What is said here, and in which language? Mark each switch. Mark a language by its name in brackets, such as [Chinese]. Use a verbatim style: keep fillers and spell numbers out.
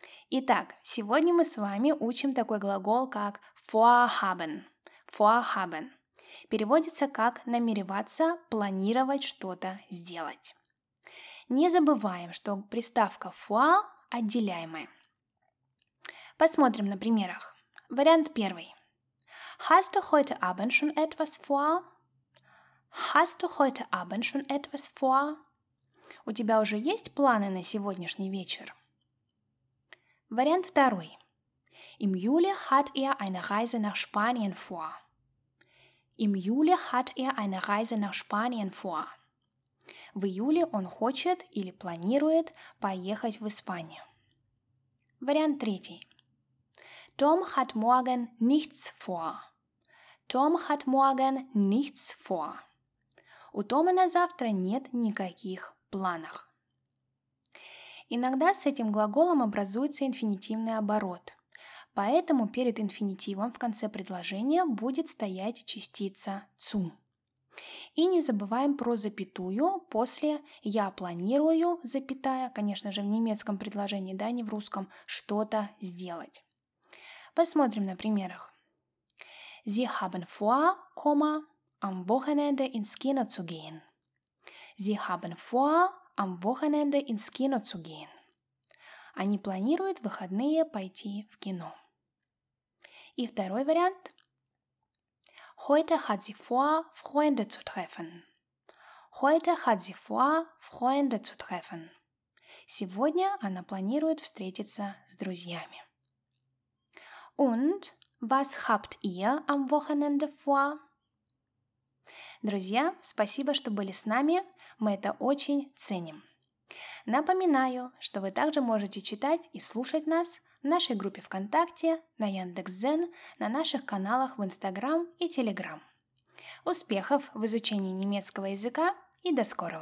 [Russian] Итак, сегодня мы с вами учим такой глагол, как vorhaben. Vorhaben переводится как намереваться, планировать что-то сделать. Не забываем, что приставка vor отделяемая. Посмотрим на примерах. Вариант первый. [German] Hast du heute Abend schon etwas vor? Hast du heute Abend schon etwas vor? [Russian] У тебя уже есть планы на сегодняшний вечер? Вариант второй. [German] Im Juli hat er eine Reise nach Spanien vor. Im Juli hat er eine Reise nach Spanien vor. [Russian] В июле он хочет или планирует поехать в Испанию. Вариант третий. [German] Tom hat morgen nichts vor. Tom hat morgen nichts vor. [Russian] У Тома на завтра нет никаких планов. Иногда с этим глаголом образуется инфинитивный оборот, поэтому перед инфинитивом в конце предложения будет стоять частица zu. И не забываем про запятую после «я планирую», запятая, конечно же, в немецком предложении, да, не в русском, что-то сделать. Посмотрим на примерах. [German] Sie haben vor, am Wochenende ins Kino zu gehen. Sie haben vor, am Wochenende ins Kino zu gehen. [Russian] Они планируют в выходные пойти в кино. И второй вариант. [German] Heute hat sie vor, Freunde zu treffen. Heute hat sie vor, Freunde zu treffen. [Russian] Сегодня она планирует встретиться с друзьями. [German] Und was habt ihr am Wochenende vor? [Russian] Друзья, спасибо, что были с нами, мы это очень ценим. Напоминаю, что вы также можете читать и слушать нас в нашей группе ВКонтакте, на Яндекс.Дзен, на наших каналах в Инстаграм и Телеграм. Успехов в изучении немецкого языка и до скорого!